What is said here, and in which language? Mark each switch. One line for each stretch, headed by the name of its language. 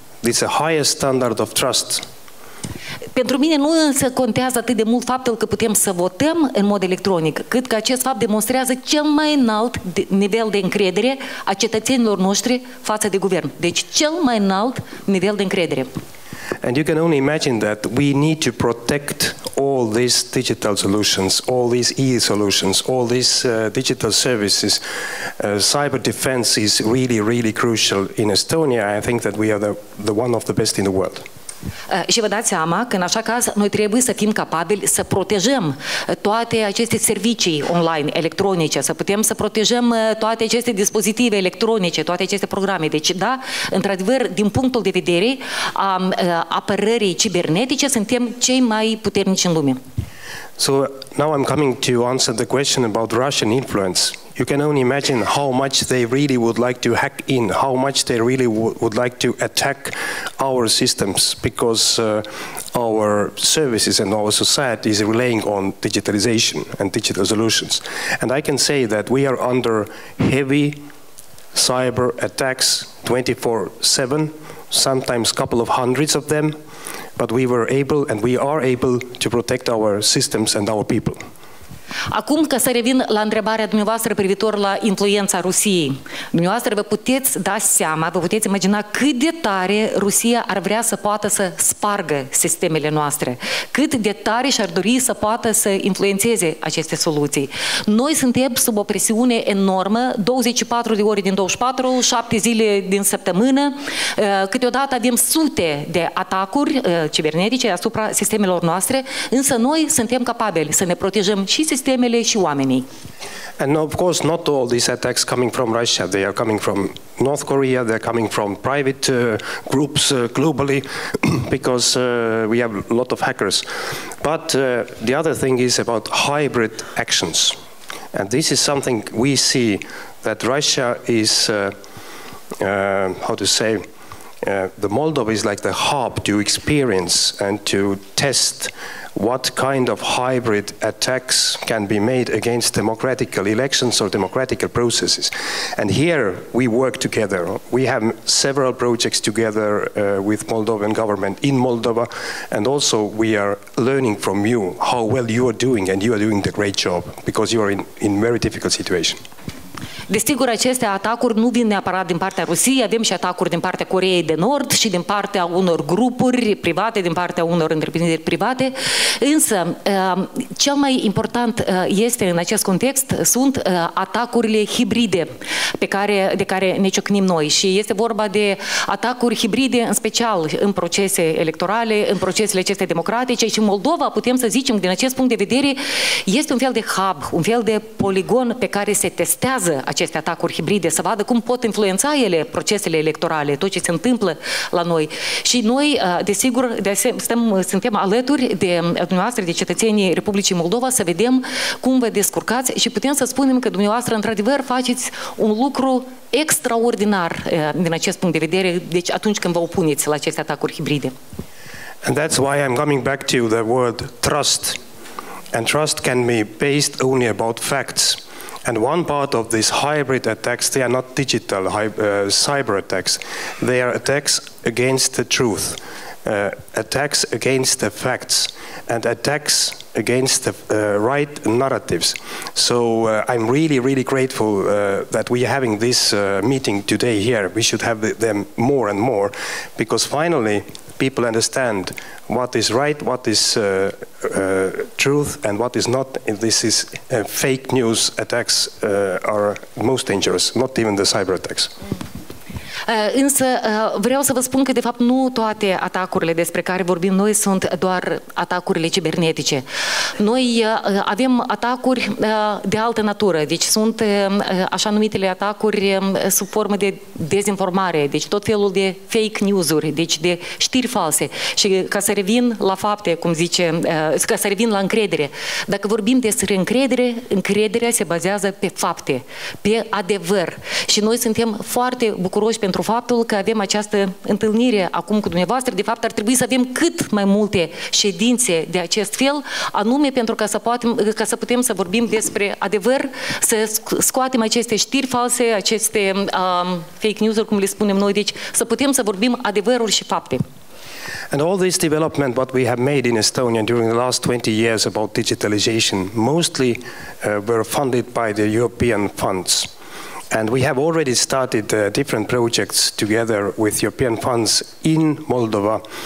English: This is a highest standard of trust.
Romanian: Pentru mine nu însă contează atât de mult faptul că putem să votăm în mod electronic, cât că acest fapt demonstrează cel mai înalt nivel de încredere a cetățenilor noștri față de guvern. Deci cel mai înalt nivel de încredere.
English: And you can only imagine that we need to protect all these digital solutions, all these e-solutions, all these digital services. Cyber defense is really, really crucial in Estonia. I think that we are the one of the best in the world.
Romanian: Și vă dați seama că în așa caz noi trebuie să fim capabili să protejăm toate aceste servicii online, electronice, să putem să protejăm toate aceste dispozitive electronice, toate aceste programe. Deci, da, într-adevăr, din punctul de vedere a apărării cibernetice, suntem cei mai puternici în lume.
English: So now I'm coming to answer the question about Russian influence. You can only imagine how much they really would like to hack in, how much they really would like to attack our systems, because our services and our society is relying on digitalization and digital solutions. And I can say that we are under heavy cyber attacks 24/7, sometimes couple of hundreds of them, but we were able and we are able to protect our systems and our people.
Romanian: Acum, ca să revin la întrebarea dumneavoastră privitor la influența Rusiei, dumneavoastră vă puteți da seama, vă puteți imagina cât de tare Rusia ar vrea să poată să spargă sistemele noastre, cât de tare și-ar dori să poată să influențeze aceste soluții. Noi suntem sub o presiune enormă, 24 de ore din 24, 7 zile din săptămână, câteodată avem sute de atacuri cibernetice asupra sistemelor noastre, însă noi suntem capabili să ne protejăm și sistemele și oamenii.
English: And of course not all these attacks coming from Russia, they are coming from North Korea, they are coming from private groups globally because we have a lot of hackers. But the other thing is about hybrid actions. And this is something we see that Russia is, the Moldova is like the hub to experience and to test what kind of hybrid attacks can be made against democratic elections or democratic processes. And here we work together. We have several projects together with Moldovan government in Moldova, and also we are learning from you how well you are doing, and you are doing the great job because you are in very difficult situation.
Romanian: Desigur, aceste atacuri nu vin neapărat din partea Rusiei, avem și atacuri din partea Coreei de Nord și din partea unor grupuri private, din partea unor întreprinderi private, însă cel mai important este în acest context sunt atacurile hibride de care ne ciocnim noi și este vorba de atacuri hibride în special în procese electorale, în procesele acestea democratice și Moldova, putem să zicem, din acest punct de vedere, este un fel de hub, un fel de poligon pe care se testează aceste atacuri hibride, să vadă cum pot influența ele procesele electorale, tot ce se întâmplă la noi. Și noi, desigur, suntem alături de dumneavoastră, de cetățenii Republicii Moldova, să vedem cum vă descurcați și putem să spunem că dumneavoastră, într-adevăr, faceți un lucru extraordinar din acest punct de vedere, deci atunci când vă opuneți la aceste atacuri hibride.
English: And that's why I'm coming back to the word trust. And trust can be based only about facts. And one part of these hybrid attacks, they are not digital cyber attacks. They are attacks against the truth, attacks against the facts, and attacks against the right narratives. So I'm really, really grateful that we are having this meeting today here. We should have them more and more, because finally people understand what is right, what is truth, and what is not. This is fake news attacks are most dangerous, not even the cyber attacks.
Romanian: Însă vreau să vă spun că de fapt nu toate atacurile despre care vorbim noi sunt doar atacurile cibernetice. Noi avem atacuri de altă natură, deci sunt așa numitele atacuri sub formă de dezinformare, deci tot felul de fake news-uri, deci de știri false. Și ca să revin la fapte, cum zice, ca să revin la încredere. Dacă vorbim despre încredere, încrederea se bazează pe fapte, pe adevăr. Și noi suntem foarte bucuroși pentru faptul că avem această întâlnire acum cu dumneavoastră. De fapt, ar trebui să avem cât mai multe ședințe de acest fel, anume pentru ca să putem să vorbim despre adevăr, să scoatem aceste știri false, aceste fake news-uri, cum le spunem noi, deci să putem să vorbim adevărul și fapte.
English: And all this development what we have made in Estonia during the last 20 years about digitalization mostly were funded by the European funds. And we have already started different projects together with European funds in Moldova.